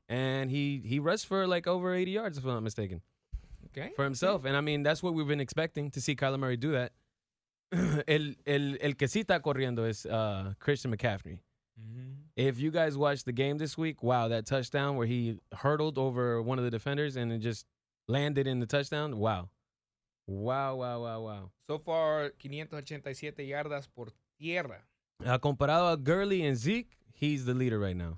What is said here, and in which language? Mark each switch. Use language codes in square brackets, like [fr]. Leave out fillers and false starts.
[en] And he rushed for like over 80 yards, if I'm not mistaken. Okay. For himself. Okay. And I mean, that's what we've been expecting, to see Kyler Murray do that. [es] el que sí está corriendo es Christian McCaffrey. [en] If you guys watched the game this week, wow, that touchdown where he hurtled over one of the defenders and it just landed in the touchdown, wow. Wow, wow, wow, wow. [es] So far, 587 yardas por tierra. Comparado a [en] Gurley and Zeke, he's the leader right now.